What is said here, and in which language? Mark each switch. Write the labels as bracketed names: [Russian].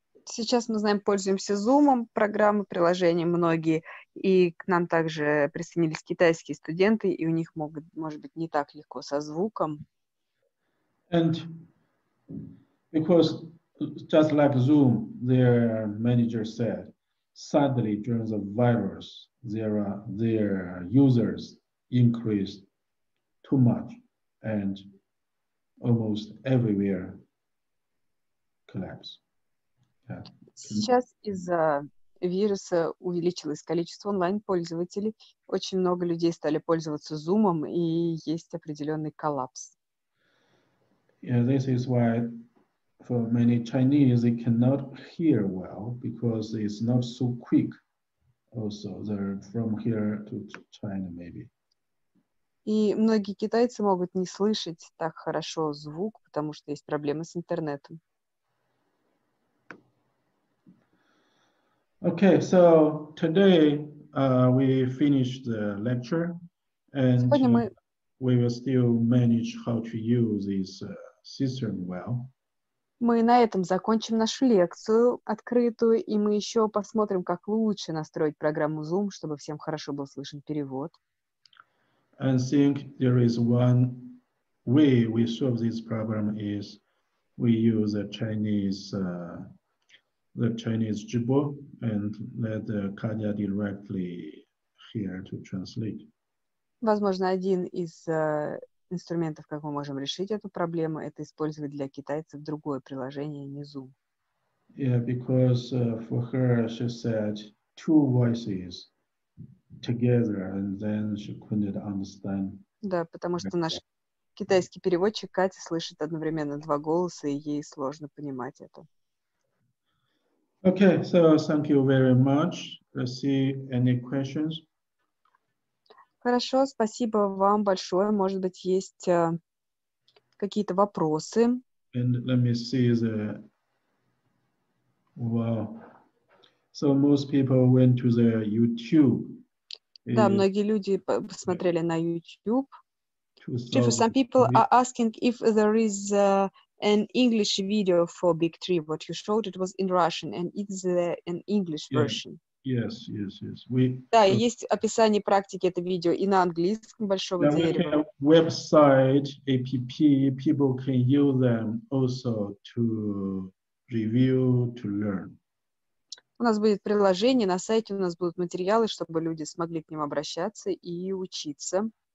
[Russian] Сейчас мы знаем, пользуемся Zoom, программы, приложения многие, и к нам также присоединились китайские студенты, и у них может быть не так легко со звуком. [English] And because just like Zoom, their manager said, suddenly during the virus, their users increased too much and almost everywhere collapsed. [Russian] Сейчас из-за вируса увеличилось количество онлайн-пользователей. Очень много людей стали пользоваться Zoom, и есть определенный коллапс. [English] Yeah, this is why for many Chinese they cannot hear well, because it's not so quick also. They're from here to China, maybe. [Russian] И многие китайцы могут не слышать так хорошо звук, потому что есть проблемы с интернетом. [English] Okay, so today we finished the lecture, and we will still manage how to use this system well. [Russian] Мы на этом закончим нашу лекцию открытую, и мы еще посмотрим, как лучше настроить программу Zoom, чтобы всем хорошо был слышен перевод. [English] I think there is one way we solve this problem is we use a Chinese Chinese Zhibo, and let Katya directly here to translate. [Russian] Возможно, один из инструментов, как мы можем решить эту проблему, это использовать для китайцев другое приложение, не Zoom. [English] Yeah, because for her, she said two voices together, and then she couldn't understand. [Russian] Да, потому что наш китайский переводчик Катя слышит одновременно два голоса, и ей сложно понимать это. [English] Okay, so thank you very much. Let's see any questions. [Russian] Хорошо, спасибо вам большое. Может быть, есть какие-то вопросы? [English] And let me see the... Wow. So most people went to the YouTube. [Russian] Да, многие люди посмотрели на YouTube. [English] Some people are asking if there is an English video for Big Tree. What you showed, it was in Russian, and it's an English version. Yes, yes, yes. We, [Russian] да, есть описание практики это видео и на английском большого дерева. [English] We have website, APP, people can use them also to review, to learn. [Russian] У нас будет приложение, на сайте у нас будут материалы, чтобы люди смогли к ним обращаться и учиться.